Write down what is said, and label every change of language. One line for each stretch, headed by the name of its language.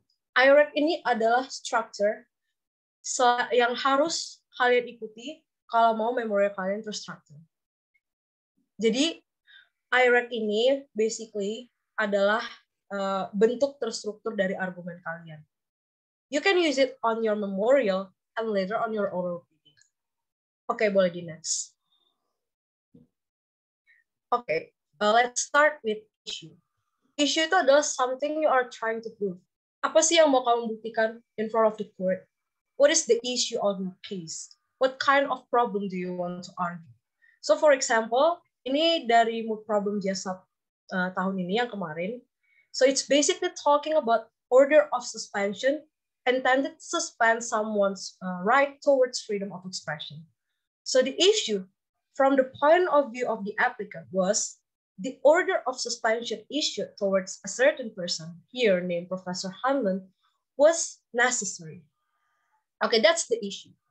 Indonesian: IREC ini adalah structure yang harus kalian ikuti kalau mau memori kalian terstruktur. Jadi, IREC ini
English: basically
Indonesian: adalah bentuk terstruktur dari argumen kalian.
English: You can use it on your memorial and later on your oral reading.
Indonesian: Okay, boleh di next.
English: Okay, let's start with issue. Issue
Indonesian: itu adalah
English: something you are trying to prove.
Indonesian: Apa sih yang mau kamu buktikan
English: in front of the court? What is the issue of your case? What kind of problem do you want to argue? So for example,
Indonesian: ini dari mood problem JASAP tahun ini yang kemarin.
English: So it's basically talking about order of suspension intended to suspend someone's right towards freedom of expression. So the issue from the point of view of the applicant was the order of suspension issued towards a certain person here named Professor Hanlon was necessary. Okay, that's the issue.